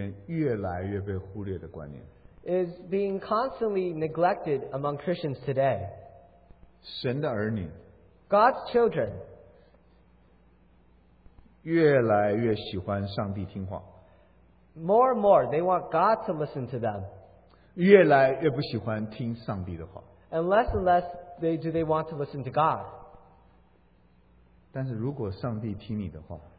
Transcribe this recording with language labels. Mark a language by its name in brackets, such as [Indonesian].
[Chinese] 是今天在基督徒中间越来越被忽略的观念。 [English] Is being constantly neglected among Christians today. [Chinese] 神的儿女, [English] God's children, [Chinese] 越来越喜欢上帝听话。 [English] More and more, they want God to listen to them. [Chinese] 越来越不喜欢听上帝的话。 [English] And less do they want to listen to God. [Chinese] 但是如果上帝听你的话,